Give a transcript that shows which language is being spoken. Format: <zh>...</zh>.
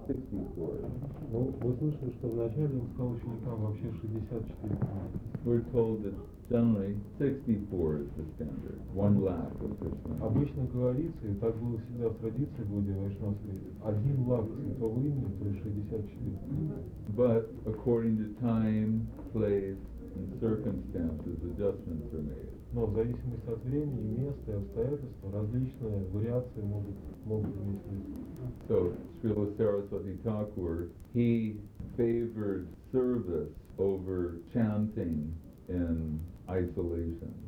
<ru>Ну, вы слышали, что вначале он сказал ученикам вообще 64 камня.</ru> <en>We're told that generally 64 is the standard, one lakh of Krishna.</en> <ru>Обычно говорится, и так было всегда в традиции Будды Вайшнавской, один лак святого имени, то есть 64 камня.</ru> <en>But according to time, place, and circumstances, adjustments are made.</en> <ru>Но в зависимости от времени, места и обстоятельств, различные вариации могут иметь место.</ru> <en>So, Srila Saraswati Thakur, he favored service over chanting in isolation.</en>